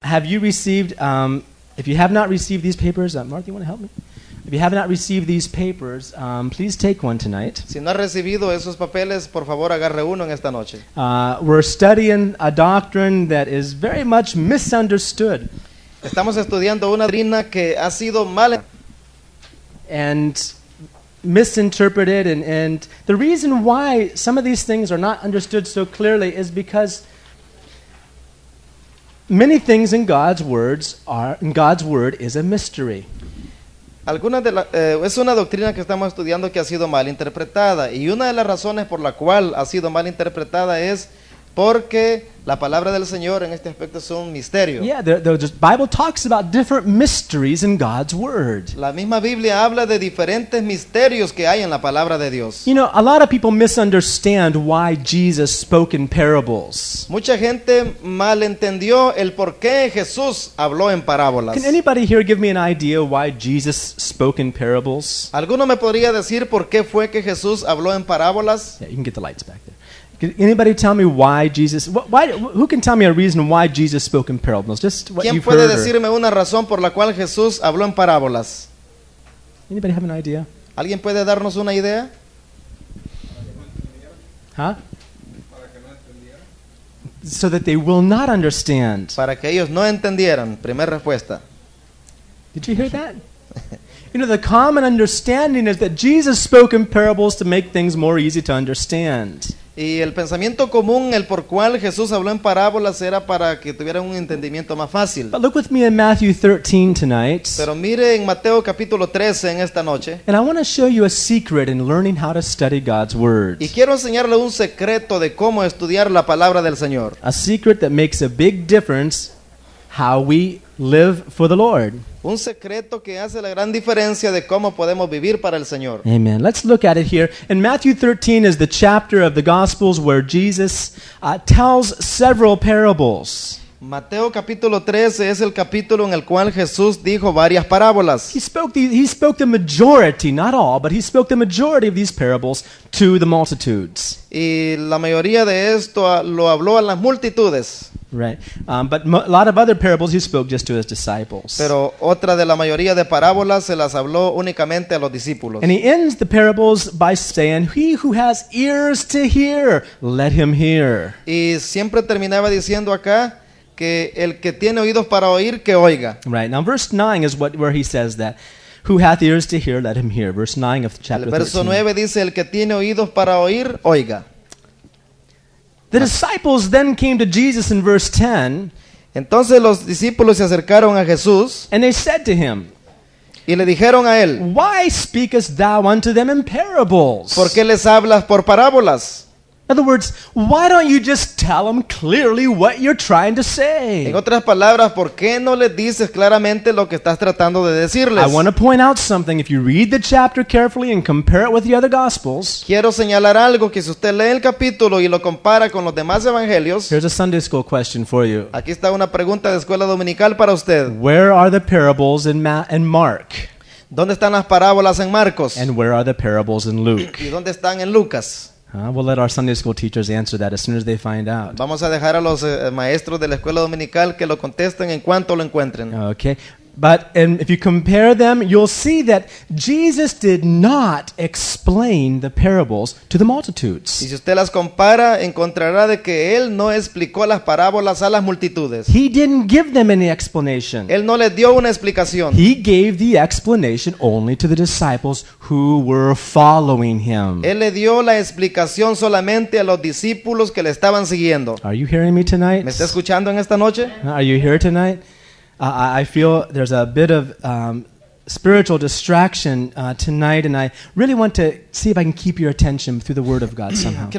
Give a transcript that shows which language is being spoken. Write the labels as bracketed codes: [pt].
[en] Have you received, if you have not received these papers, Martha, you want to help me? If you have not received these papers, please take one tonight. [es] Si no has recibido esos papeles, por favor, agarre uno en esta noche. [en] We're studying a doctrine that is very much misunderstood. [es] Estamos estudiando una doctrina que ha sido mal [en] and misinterpreted, and the reason why some of these things are not understood so clearly is because many things in God's words are in God's word is a mystery. [es] Alguna de la, es una doctrina que estamos estudiando que ha sido mal interpretada, y una de las razones por la cual ha sido mal interpretada es porque la palabra del Señor en este aspecto es un misterio. [en] Yeah, the Bible talks about different mysteries in God's word. [es] La misma Biblia habla de diferentes misterios que hay en la palabra de Dios. [en] You know, a lot of people misunderstand why Jesus spoke in parables. [es] Mucha gente malentendió el por qué Jesús habló en parábolas. [en] Can anybody here give me an idea why Jesus spoke in parables? [es] ¿Alguno me podría decir por qué fue que Jesús habló en parábolas? [en] Yeah, you can get the lights back there. Can anybody tell me why Jesus? Why? Who can tell me a reason why Jesus spoke in parables? Just what [es] ¿quién [en] you've [es] puede [en] heard [es] decirme [en] or, [es] una razón por la cual Jesús habló en parábolas? [en] Anybody have an idea? [es] ¿Alguien puede darnos una idea? Huh? [en] So that they will not understand. [es] Para que ellos no entendieran. Primera respuesta. [en] Did you hear that? You know, the common understanding is that Jesus spoke in parables to make things more easy to understand. [es] Y el pensamiento común, el por cual Jesús habló en parábolas, era para que tuvieran un entendimiento más fácil. [en] But look with me in Matthew 13 tonight. [es] Pero mire en Mateo capítulo 13 en esta noche. [en] And I want to show you a secret in learning how to study God's word. [es] Y quiero enseñarle un secreto de cómo estudiar la palabra del Señor. [en] A secret that makes a big difference how we live for the Lord. [es] Un secreto que hace la gran diferencia de cómo podemos vivir para el Señor. [en] Amen. Let's look at it here. And Matthew 13 is the chapter of the Gospels where Jesus tells several parables. [es] Mateo capítulo 13 es el capítulo en el cual Jesús dijo varias parábolas. [en] He spoke the majority, not all, but he spoke the majority of these parables to the multitudes. [es] Y la mayoría de esto lo habló a las multitudes. [en] Right. A lot of other parables he spoke just to his disciples. [es] Pero otra de la mayoría de parábolas se las habló únicamente a los discípulos. [en] And he ends the parables by saying, "He who has ears to hear, let him hear." [es] Y siempre terminaba diciendo acá que el que tiene oídos para oír, que oiga. [en] Right. Now verse 9 is where he says that. Who hath ears to hear, let him hear. Verse 9 of chapter 13. [es] El verso 9 dice, el que tiene oídos para oír, oiga. [en] The disciples then came to Jesus in verse 10. [es] Entonces los discípulos se acercaron a Jesús. [en] And they said to him, [es] y le dijeron a él, [en] why speakest thou unto them in parables? [es] ¿Por qué les hablas por parábolas? [en] In other words, why don't you just tell them clearly what you're trying to say? [es] En otras palabras, ¿por qué no les dices claramente lo que estás tratando de decirles? [en] I want to point out something. If you read the chapter carefully and compare it with the other gospels, [es] quiero señalar algo que si usted lee el capítulo y lo compara con los demás evangelios. [en] Here's a Sunday school question for you. [es] Aquí está una pregunta de escuela dominical para usted. [en] Where are the parables in Mark? [es] ¿Dónde están las parábolas en Marcos? [en] And where are the parables in Luke? [es] ¿Y dónde están en Lucas? [en] We'll let our Sunday school teachers answer that as soon as they find out. [es] Vamos a dejar a los maestros de la escuela dominical que lo contesten en cuanto lo encuentren. [en] Okay. But and if you compare them, you'll see that Jesus did not explain the parables to the multitudes. [es] Y si usted las compara, encontrará de que él no explicó las parábolas a las multitudes. [en] He didn't give them any explanation. [es] Él no les dio una explicación. [en] He gave the explanation only to the disciples who were following him. [es] Él le dio la explicación solamente a los discípulos que le estaban siguiendo. [en] Are you hearing me tonight? [es] ¿Me está escuchando en esta noche? [en] Are you here tonight? I feel there's a bit of spiritual distraction tonight, and I really want to see if I can keep your attention through the Word of God somehow.